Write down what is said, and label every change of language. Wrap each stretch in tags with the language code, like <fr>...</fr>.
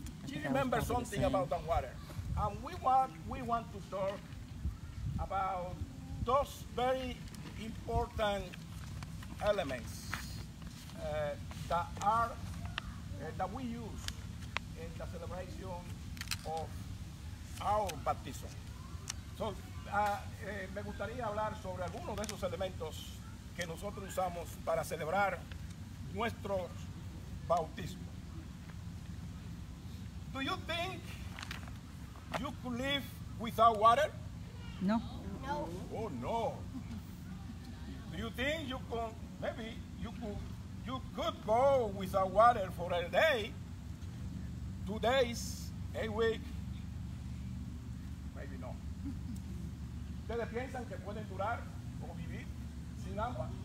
<en>She remembers something about the water, and we want to talk about those very important elements that we use in the celebration of our baptism.</en> <es>So, me gustaría hablar sobre algunos de esos elementos que nosotros usamos para celebrar nuestro bautismo.</es> <en>Do you think you could live without water? No. No. Oh no. Do you think you could, maybe you could go without water for a day, 2 days, a week? Maybe no.</en> <es>¿Ustedes piensan que pueden durar o vivir sin agua?</es>